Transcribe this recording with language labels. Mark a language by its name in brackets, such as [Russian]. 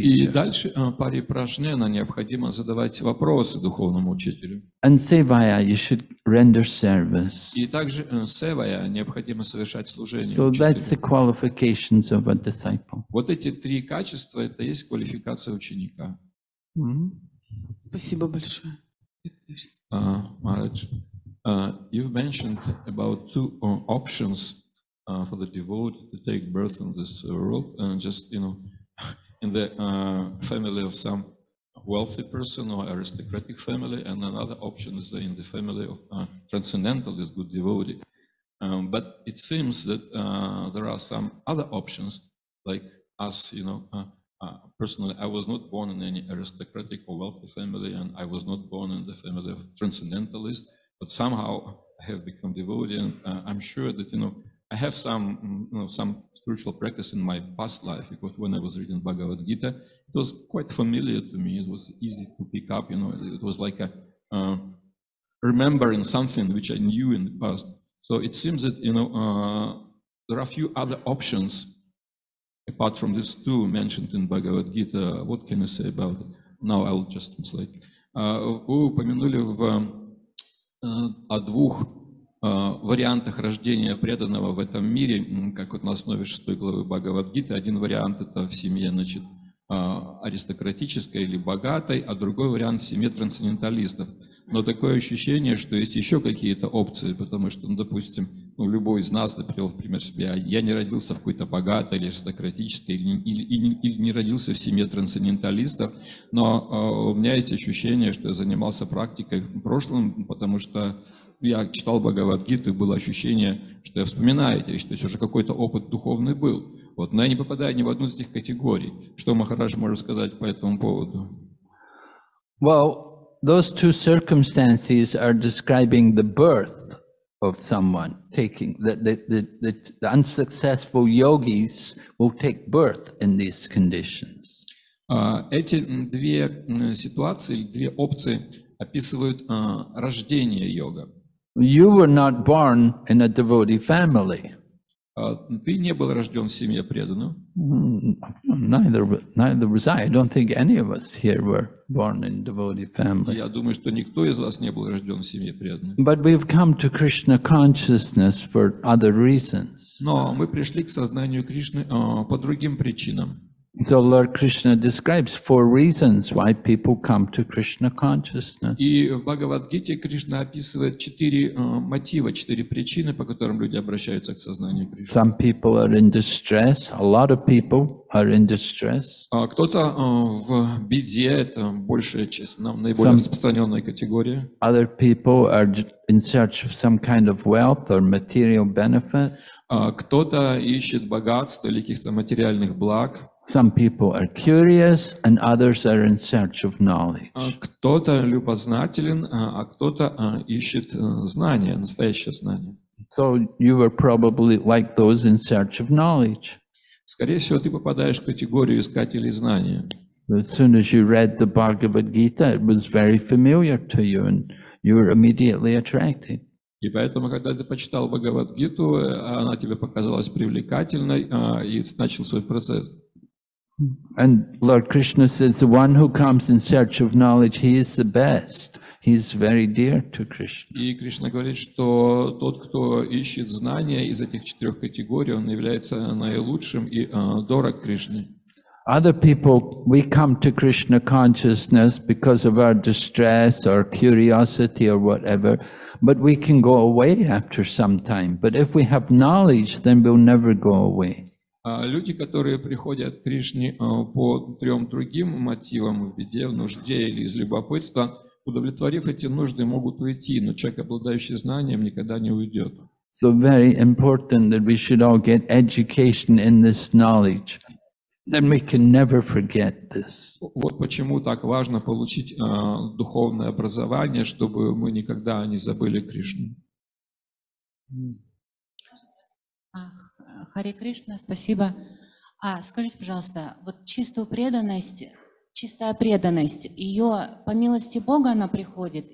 [Russian] И дальше парипрашнена, необходимо задавать вопросы духовному учителю. [English] And севая, you should render service. [Russian] И также севая, необходимо совершать служение учителю. [English] So that's the qualifications of a disciple. [Russian] Вот эти три качества, это есть квалификация ученика. Спасибо большое. [English] Марадж, you've mentioned about two options for the devotee to take birth in this world, and just, you know, in the family of some wealthy person or aristocratic family, and another option is in the family of transcendentalist good devotee. But it seems that there are some other options, like us, you know, personally, I was not born in any aristocratic or wealthy family, and I was not born in the family of transcendentalist, but somehow I have become devotee, and I'm sure that, you know, I have some spiritual practice in my past life, because when I was reading Bhagavad Gita, it was quite familiar to me. It was easy to pick up, you know, it was like a remembering something which I knew in the past. So it seems that, you know, there are a few other options apart from these two mentioned in Bhagavad Gita. What can you say about it? Now I'll just translate. [Russian] Вы упомянули в о двух вариантах рождения преданного в этом мире, как вот на основе шестой главы Бхагавад-гиты. Один вариант — это в семье, значит, аристократической или богатой, а другой вариант — в семье трансценденталистов. Но такое ощущение, что есть еще какие-то опции, потому что, ну, допустим, ну, любой из нас, например, в пример себя, я не родился в какой-то богатой или аристократической, или не родился в семье трансценденталистов, но у меня есть ощущение, что я занимался практикой в прошлом, потому что я читал Бхагавад-гиту, и было ощущение, что я вспоминаю эти вещи, то есть уже какой-то опыт духовный был. Вот, но я не попадаю ни в одну из этих категорий. Что Махарадж может сказать по этому поводу? [English] Well, those two circumstances are describing the birth of someone taking the unsuccessful yogis will take birth in these conditions. [Russian] Эти две ситуации, две опции описывают рождение йога. [English] You were not born in a devotee family. [Russian] Ты не был рожден в семье преданного. [English] Neither was I. I don't think any of us here were born in devotee family. [Russian] Я думаю, что никто из вас не был рожден в семье преданного. [English] But we've come to Krishna consciousness for other reasons. [Russian] Но мы пришли к сознанию Кришны по другим причинам. [English] So Lord Krishna describes four reasons why people come to Krishna consciousness. [Russian] И в Бхагавад-гите Кришна описывает четыре мотива, четыре причины, по которым люди обращаются к сознанию Кришны. [English] Some people are in distress, a lot of people are in distress. [Russian] Кто-то в беде, это большая часть, наиболее распространенная категория. [English] Other people are in search of some kind of wealth or material benefit. [Russian] Кто-то ищет богатство или каких-то материальных благ. [English] Some people are curious, and others are in search of knowledge. [Russian] Кто-то любознателен, а кто-то ищет знания, настоящее знание. [English] So you were probably like those in search of knowledge. [Russian] Скорее всего, ты попадаешь в категорию искателей знания. [English] As soon as you read the Bhagavad Gita, it was very familiar to you, and you were immediately attracted. [Russian] И поэтому, когда ты почитал Бхагавад-гиту, она тебе показалась привлекательной, и начал свой процесс. [English] And Lord Krishna says, the one who comes in search of knowledge, he is the best. He is very dear to Krishna. [Russian] И Кришна говорит, что тот, кто ищет знания из этих четырех категорий, он является наилучшим и дорог Кришне. [English] Other people, we come to Krishna consciousness because of our distress or curiosity or whatever, but we can go away after some time. But if we have knowledge, then we'll never go away. [Russian] Люди, которые приходят к Кришне по трем другим мотивам, в беде, в нужде или из любопытства, удовлетворив эти нужды, могут уйти, но человек, обладающий знанием, никогда не уйдет. [English] So very important that we should all get education in this knowledge. Then we can never forget this. [Russian] Вот почему так важно получить духовное образование, чтобы мы никогда не забыли Кришну. Харе Кришна, спасибо. Скажите, пожалуйста, вот чистую преданность, чистая преданность, ее по милости Бога она приходит?